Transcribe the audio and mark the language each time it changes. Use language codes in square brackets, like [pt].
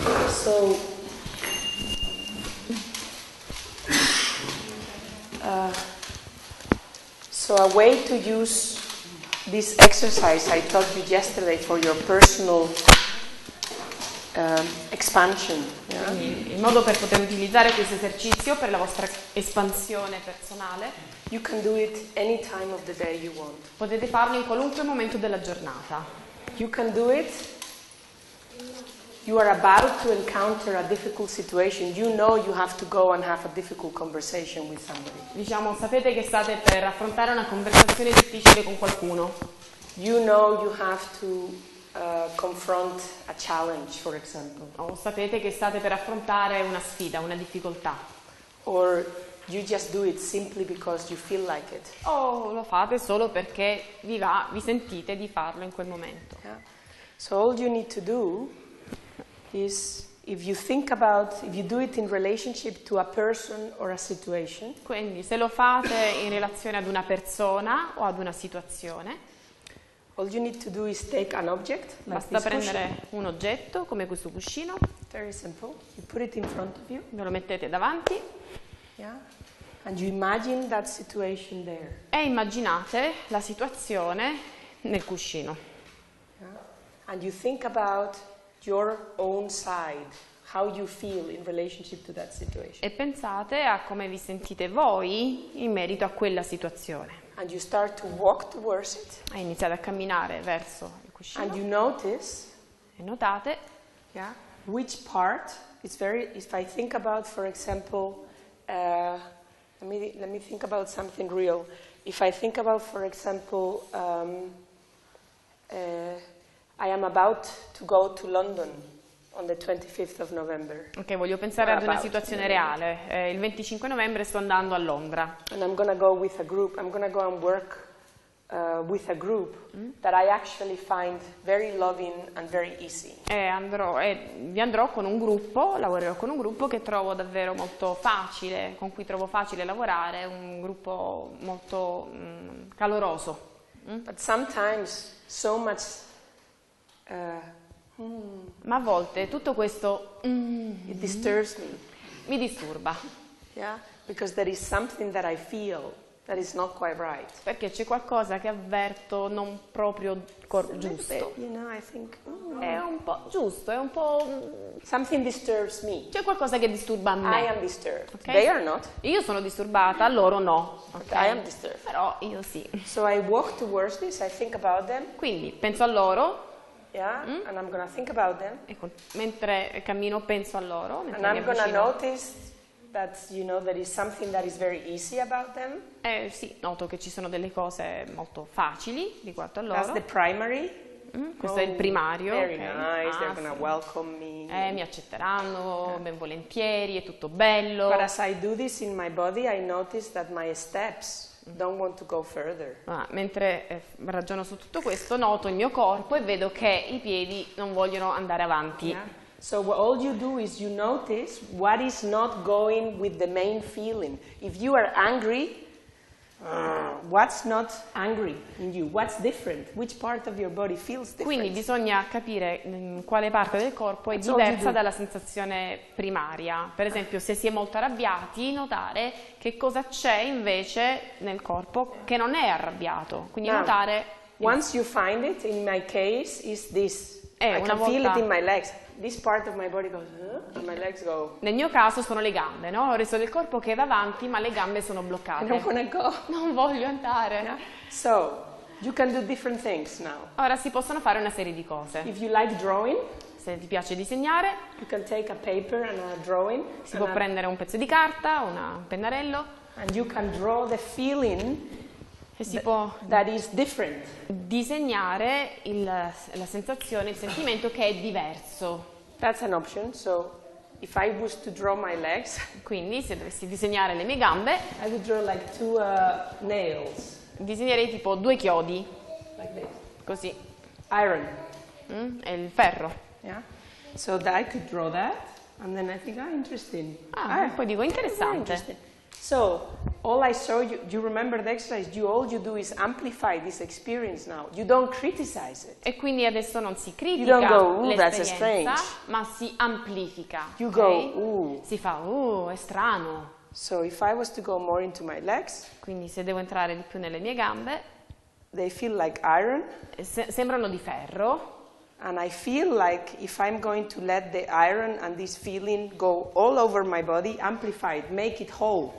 [en] So, so a way to use this exercise I taught you yesterday for your personal expansion. [it] Yeah. In modo per poter utilizzare questo esercizio per la vostra espansione personale. [en] You can do it any time of the day you want. [it] Potete farlo in qualunque momento della giornata. [en] You can do it. You are about to encounter a difficult situation. You know you have to go and have a difficult conversation with somebody. [it] Diciamo, sapete che state per affrontare una conversazione difficile con qualcuno. [en] You know you have to confront a challenge, for example. [it] O sapete che state per affrontare una sfida, una difficoltà. [en] Or you just do it simply because you feel like it. [it] O lo fate solo perché vi va, vi sentite di farlo in quel momento. [en] Yeah. So all you need to do is if you think about, if you do it in relationship to a person or a situation. [it] Quindi se lo fate in relazione ad una persona o ad una situazione. [en] All you need to do is take an object, like [it] basta prendere [en] cushion. [it] Un oggetto come questo cuscino. [en] Very simple. You put it in front of you. [it] Ve lo mettete davanti. [en] Yeah. And you imagine that situation there. [it] E immaginate la situazione nel cuscino. [en] Yeah. And you think about your own side, how you feel in relationship to that situation. [it] E pensate a come vi sentite voi in merito a quella situazione. [en] And you start to walk towards it. [it] E iniziate a camminare verso il cuscino. [en] And you notice. [it] E notate. [en] Yeah. Which part? It's very. If I think about, for example, let me think about something real. If I think about, for example, I am about to go to London on the 25th of November. [it] Okay, voglio pensare ad una situazione reale. Il 25 novembre sto andando a Londra. [en] And I'm gonna go with a group. I'm gonna go and work with a group that I actually find very loving and very easy. [it] Vi andrò con un gruppo, lavorerò con un gruppo che trovo davvero molto facile, con cui trovo facile lavorare, un gruppo molto caloroso. [en] But sometimes so much [it] ma a volte tutto questo [en] it disturbs me. [it] Mi disturba. [en] Yeah, because there is something that I feel that is not quite right. [it] Perché c'è qualcosa che avverto non proprio giusto. [en] You know, I think [it] è un po' giusto, è un po' [en] something disturbs me. [it] C'è qualcosa che disturba me. [en] I am disturbed. Okay? They are not. [it] Io sono disturbata, loro no. [en] Okay? I am disturbed. [it] Però io sì. [en] So I walk towards this, I think about them. [it] Quindi penso a loro. [en] Yeah, and I'm gonna think about them. [it] Ecco, mentre cammino penso a loro, [en] and I'm gonna notice that, you know, there is something that is very easy about them. [it] Sì, noto che ci sono delle cose molto facili riguardo a loro. [en] That's the primary. [it] Questo è il primario. [en] Very nice, they're gonna welcome me. [it] Mi accetteranno ben volentieri, è tutto bello. [en] But as I do this in my body, I notice that my steps don't want to go further. [it] Ma mentre ragiono su tutto questo, noto il mio corpo e vedo che i piedi non vogliono andare avanti. [en] Yeah. So all you do is you notice what is not going with the main feeling. If you are angry, what's not angry in you? What's different? Which part of your body feels different? [it] Quindi bisogna capire quale parte del corpo è diversa dalla sensazione primaria. Per esempio, se si è molto arrabbiati, notare che cosa c'è invece nel corpo che non è arrabbiato. Quindi [en] now, [it] notare. [en] Once you find it, in my case, is this. I can feel it in my legs. This part of my body goes, and my legs go. [it] Nel mio caso sono le gambe, no? Il resto del corpo che va avanti, ma le gambe sono bloccate. [en] I don't wanna go. [it] Non voglio andare. [en] No? So, you can do different things now. [it] Ora si possono fare una serie di cose. [en] If you like drawing, [it] se ti piace disegnare, [en] you can take a paper and a drawing. [it] Si può prendere un pezzo di carta, un pennarello. [en] And you can draw the feeling. [it] E si può [en] that is different. [it] Disegnare la sensazione, il sentimento che è diverso. [en] That's an option. So if I was to draw my legs, [it] quindi se dovessi disegnare le mie gambe, [en] I would draw like two nails. [it] Disegnerei tipo due chiodi. [en] Like this. [it] Così. [en] Iron. [it] È il ferro. [en] Yeah. So that I could draw that, and then I think, ah, interesting. [it] Poi dico interessante. [en] So, all I show you, do you remember the exercise? All you do is amplify this experience now. You don't criticize it. [it] E quindi adesso non si critica. [en] You don't go, ooh, that's strange. [it] Ma si amplifica. [en] You okay? go, ooh. [it] Si fa, ooh, è strano. [en] So, if I was to go more into my legs. [it] Quindi se devo entrare di più nelle mie gambe. [en] They feel like iron. [it] Sembrano di ferro. [en] And I feel like if I'm going to let the iron and this feeling go all over my body, amplify it, make it whole.